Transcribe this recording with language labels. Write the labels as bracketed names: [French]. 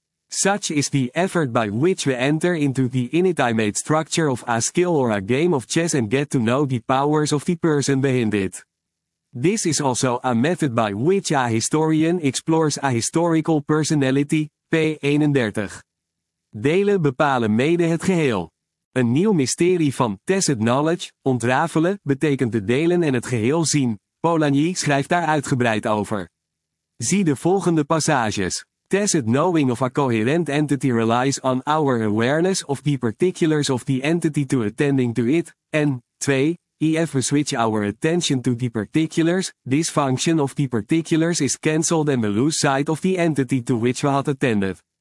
[English] Such is the effort by which we enter into the inanimate structure of a skill or a game of chess and get to know the powers of the person behind it. This is also a method by which a historian explores a historical personality, p. 31. [Dutch] Delen bepalen mede het geheel. Een nieuw mysterie van [English] tacit knowledge, [Dutch] ontrafelen, betekent de delen en het geheel zien. Polanyi schrijft daar uitgebreid over. Zie de volgende passages. [English] Tacit knowing of a coherent entity relies on our awareness of the particulars of the entity to attending to it, en, 2, if we switch our attention to the particulars, this function of the particulars is cancelled and we lose sight of the entity to which we had attended.